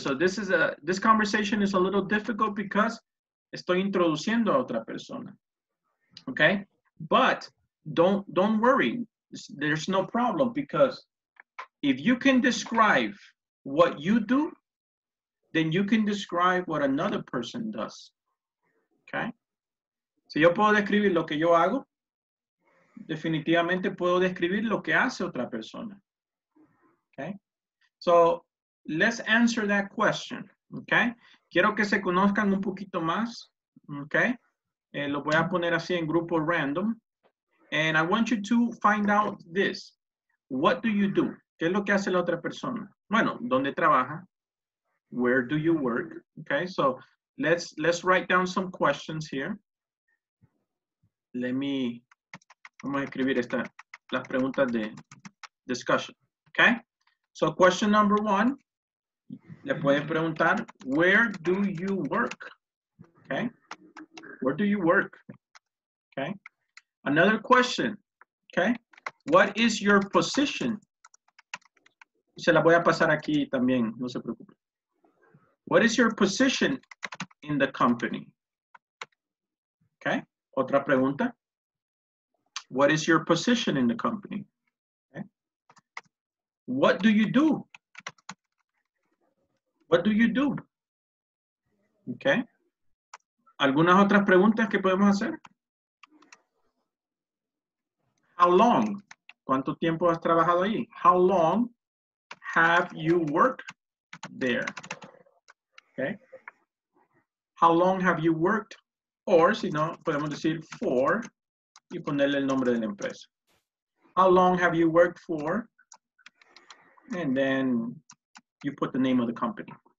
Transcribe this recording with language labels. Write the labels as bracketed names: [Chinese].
[English] So this conversation is a little difficult because [Spanish] estoy introduciendo a otra persona. [English] Okay. But don't worry. There's no problem because If you can describe what you do, then you can describe what another person does. Okay? [Spanish] Si yo puedo describir lo que yo hago, definitivamente puedo describir lo que hace otra persona. [English] Okay? So, let's answer that question. Okay? [Spanish] Quiero que se conozcan un poquito más. Okay? Lo voy a poner así en grupo random. [English] And I want you to find out this. What do you do? [Spanish] ¿Qué es lo que hace la otra persona? Bueno, ¿dónde trabaja? [English] Where do you work? Okay, so let's write down some questions here. [Spanish] Vamos a escribir esta, las preguntas de discussion. [English] Okay, so question number one, [Spanish] le pueden preguntar, [English] where do you work? Okay, where do you work? Okay, another question, okay, what is your position? [Spanish] Se la voy a pasar aquí también, no se preocupe. [English] What is your position in the company? Okay, [Spanish] otra pregunta. [English] What is your position in the company? Okay. What do you do? What do you do? [Spanish] Okay. ¿Algunas otras preguntas que podemos hacer? [English] How long? [Spanish] ¿Cuánto tiempo has trabajado ahí? [English] How long have you worked there? Okay. How long have you worked? [Spanish] Or, si no, podemos decir for y ponerle el nombre de la empresa. [English] How long have you worked for? And then you put the name of the company.